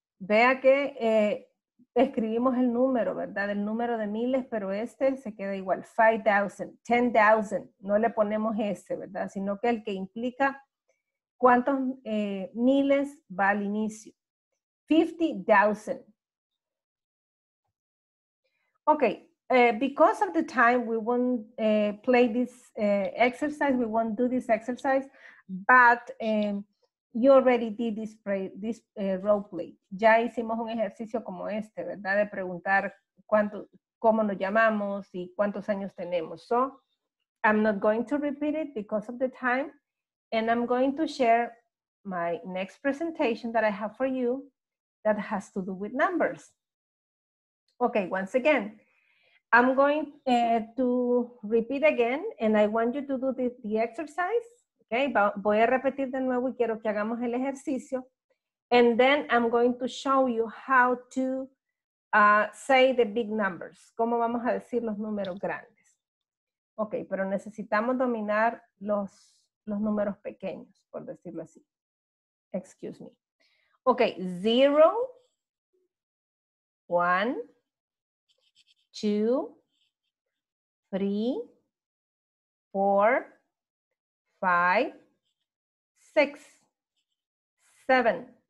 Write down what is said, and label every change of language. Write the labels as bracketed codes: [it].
[es] Vea que escribimos el número, ¿verdad? El número de miles, pero este se queda igual. 5,000, 10,000. No le ponemos ese, ¿verdad? Sino que el que implica cuántos miles va al inicio. 50,000. [en] Okay, because of the time, we won't play this exercise. We won't do this exercise, but you already did this role play. [es] Ya hicimos un ejercicio como este, ¿verdad? De preguntar cuánto, cómo nos llamamos y cuántos años tenemos. [en] So, I'm not going to repeat it because of the time, and I'm going to share my next presentation that I have for you. That has to do with numbers. Okay, once again, I'm going to repeat again, and I want you to do the exercise. [es] Okay, voy a repetir de nuevo y quiero que hagamos el ejercicio. [en] And then I'm going to show you how to say the big numbers. [es] ¿Cómo vamos a decir los números grandes? Okay, pero necesitamos dominar los números pequeños, por decirlo así. [en] Excuse me. Okay, 0, 1, 2, 3, 4, 5, 6, 7,